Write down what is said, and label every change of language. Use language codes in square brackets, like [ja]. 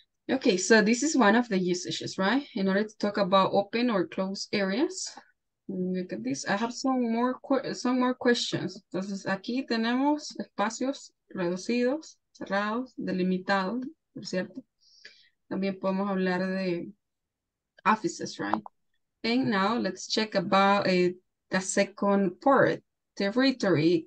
[en] Okay, so this is one of the usages, right? In order to talk about open or closed areas. Look at this. I have some more questions. [es] Entonces, aquí tenemos espacios reducidos, cerrados, delimitados, por cierto. También podemos hablar de offices, right? [en] And now, let's check about the second part, territory.